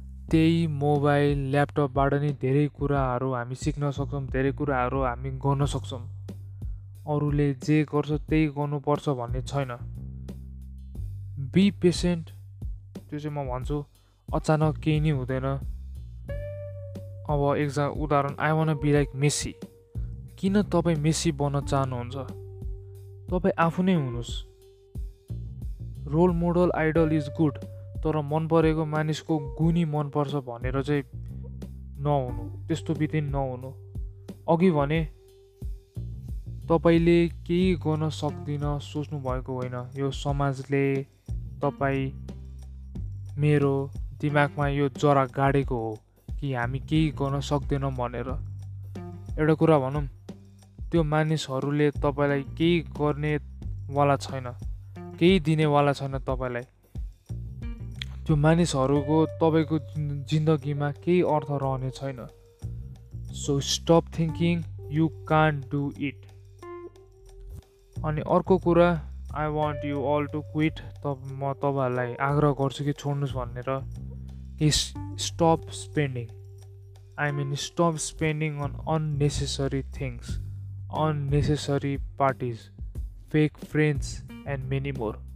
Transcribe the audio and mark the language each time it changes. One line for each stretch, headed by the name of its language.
Nepali: त्यही मोबाइल ल्यापटपबाट नि धेरै कुराहरू हामी सिक्न सक्छौँ, धेरै कुराहरू हामी गर्न सक्छौँ। अरूले जे गर्छ त्यही गर्नुपर्छ भन्ने छैन।
English: be patient,
Nepali: त्यो चाहिँ म भन्छु, अचानक केही नै हुँदैन। अब एकजना उदाहरण,
English: I want be like Messi.
Nepali: किन तपाईँ मेसी बन्न चाहनुहुन्छ? तपाईँ आफू नै हुनुहोस्।
English: role model idol is good,
Nepali: तर मन परेको मानिसको गुनी मनपर्छ भनेर चाहिँ नहुनु, त्यस्तो विधिन नहुनु। अघि भने तपाईँले केही गर्न सक्दिनँ सोच्नु भएको होइन, यो समाजले तपाईँ मेरो दिमागमा यो जरा गाडेको हो कि हामी केही गर्न सक्दैनौँ भनेर। एउटा कुरा भनौँ, त्यो मानिसहरूले तपाईँलाई केही गर्नेवाला छैन, केही दिनेवाला छैन तपाईँलाई। त्यो मानिसहरूको तपाईँको जिन्दगीमा केही अर्थ रहने छैन।
English: So stop thinking you can't do it.
Nepali: अनि अर्को कुरा,
English: I want you all to quit.
Nepali: म तपाईँहरूलाई आग्रह गर्छु कि छोड्नुहोस् भनेर।
English: Stop spending, I mean stop spending on unnecessary things, unnecessary parties, fake friends and many more.